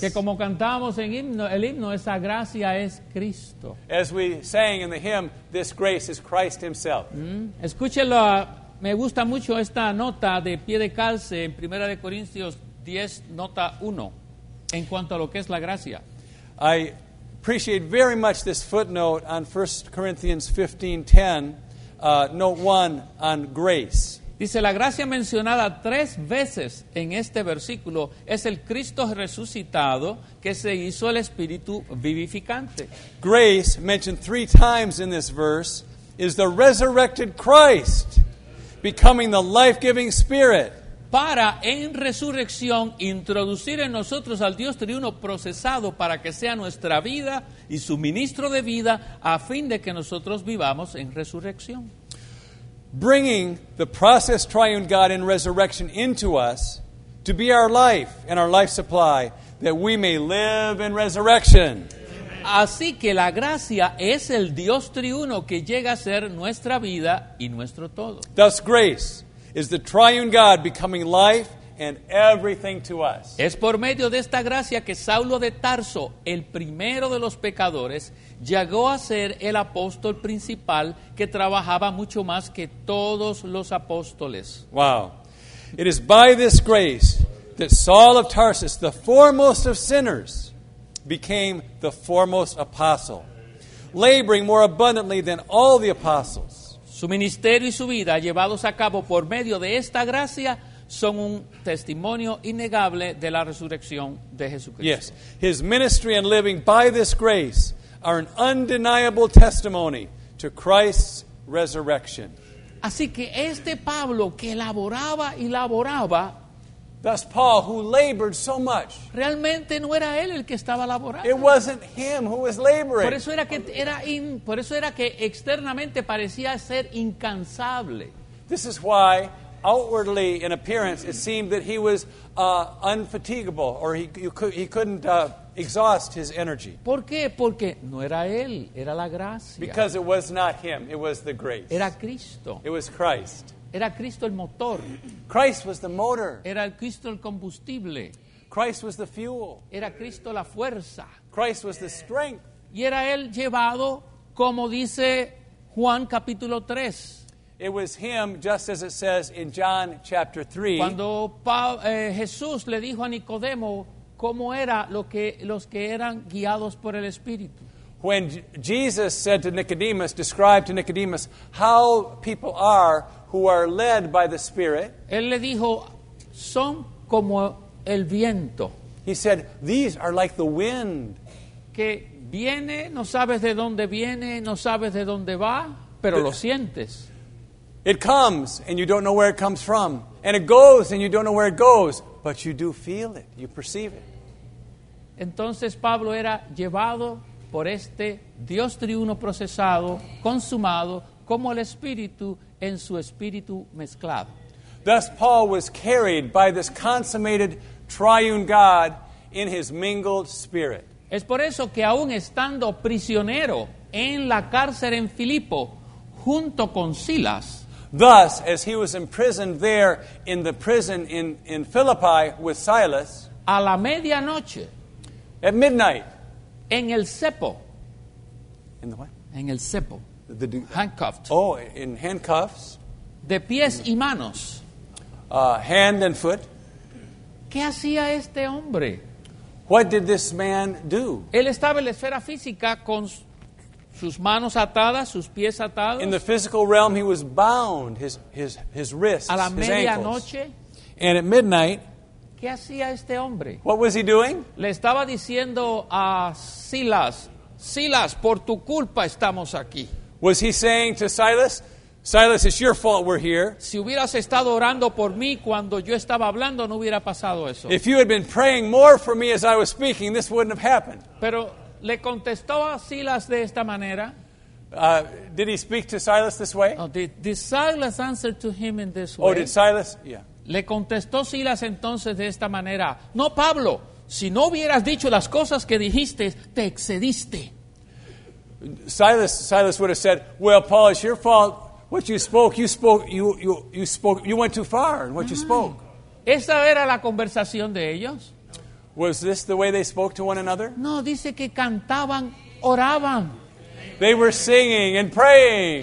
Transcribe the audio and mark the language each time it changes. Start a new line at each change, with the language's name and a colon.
Spanish: Que como cantábamos en el himno, esa gracia es Cristo.
English: As we sang in the hymn, this grace is Christ himself.
Spanish: Escúchelo, me gusta mucho esta nota de pie de calce en Primera de Corintios 10, nota 1, en cuanto a lo que es la gracia.
English: I appreciate very much this footnote on 1 Corinthians 15:10, note 1 on grace.
Spanish: Dice, la gracia mencionada tres veces en este versículo es el Cristo resucitado que se hizo el Espíritu vivificante.
English: Grace, mentioned three times in this verse, is the resurrected Christ becoming the life-giving Spirit.
Spanish: Para en resurrección introducir en nosotros al Dios triuno procesado para que sea nuestra vida y suministro de vida a fin de que nosotros vivamos en resurrección.
English: Bringing the process triune God in resurrection into us to be our life and our life supply that we may live in resurrection.
Spanish: Así que la gracia es el Dios triuno que llega a ser nuestra vida y nuestro todo.
English: Thus grace is the triune God becoming life and everything to us.
Spanish: Es por medio de esta gracia que Saulo de Tarso, el primero de los pecadores, llegó a ser el apóstol principal que trabajaba mucho más que todos los apóstoles.
English: Wow. It is by this grace that Saul of Tarsus, the foremost of sinners, became the foremost apostle, laboring more abundantly than all the apostles.
Spanish: Su ministerio y su vida llevados a cabo por medio de esta gracia son un testimonio innegable de la resurrección de Jesucristo.
English: Yes, his ministry and living by this grace are an undeniable testimony to Christ's resurrection.
Spanish: Así que este Pablo que laboraba y laboraba,
English: thus Paul who labored so much,
Spanish: realmente no era él el que estaba laborando.
English: It wasn't him who was laboring.
Spanish: Por eso era que era in, por eso era que externamente parecía ser incansable.
English: This is why outwardly in appearance it seemed that he was unfatigable, or he couldn't exhaust his energy.
Spanish: ¿Por qué? Porque no era él, era la gracia.
English: Because it was not him, it was the grace.
Spanish: Era Cristo.
English: It was Christ.
Spanish: Era Cristo el motor.
English: Christ was the motor.
Spanish: Era el Cristo el combustible.
English: Christ was the fuel.
Spanish: Era Cristo la fuerza.
English: Christ was the strength.
Spanish: Y era él llevado, como dice Juan capítulo 3.
English: It was him, just as it says in John chapter 3.
Spanish: Cuando Jesús le dijo a Nicodemo cómo era los que eran guiados por el Espíritu.
English: When Jesus said to Nicodemus, described to Nicodemus how people are who are led by the Spirit.
Spanish: Él le dijo, son como el viento.
English: He said, these are like the wind.
Spanish: Que viene, no sabes de dónde viene, no sabes de dónde va, pero lo sientes.
English: It comes and you don't know where it comes from. And it goes and you don't know where it goes. But you do feel it. You perceive it.
Spanish: Entonces Pablo era llevado por este Dios triuno procesado, consumado, como el Espíritu en su Espíritu mezclado.
English: Thus Paul was carried by this consummated triune God in his mingled spirit.
Spanish: Es por eso que aún estando prisionero en la cárcel en Filipo, junto con Silas,
English: thus, as he was imprisoned there in the prison in Philippi with Silas,
Spanish: a la medianoche,
English: at midnight,
Spanish: en el cepo,
English: in the what?
Spanish: En el cepo,
English: handcuffed. Oh, in handcuffs.
Spanish: De pies y manos.
English: Hand and foot.
Spanish: ¿Qué hacía este hombre?
English: What did this man do?
Spanish: Él estaba en la esfera física con sus manos atadas, sus pies atados.
English: In the physical realm, he was bound, his wrists, his ankles.
Spanish: A la medianoche.
English: And at midnight,
Spanish: ¿qué hacía este hombre?
English: What was he doing?
Spanish: Le estaba diciendo a Silas, Silas, por tu culpa estamos aquí.
English: Was he saying to Silas, Silas, it's your fault we're here.
Spanish: Si hubieras estado orando por mí cuando yo estaba hablando, no hubiera pasado eso.
English: If you had been praying more for me as I was speaking, this wouldn't have happened.
Spanish: Pero le contestó a Silas de esta manera.
English: Did he speak to Silas this way? Oh, did Silas answer to him in this way? Oh, did Silas? Yeah.
Spanish: Le contestó Silas entonces de esta manera. No, Pablo, si no hubieras dicho las cosas que dijiste, te excediste.
English: Silas would have said, well, Paul, it's your fault. What you spoke, you went too far in what you spoke.
Spanish: Esa era la conversación de ellos.
English: Was this the way they spoke to one another?
Spanish: No, dice que cantaban, oraban.
English: They were singing and praying.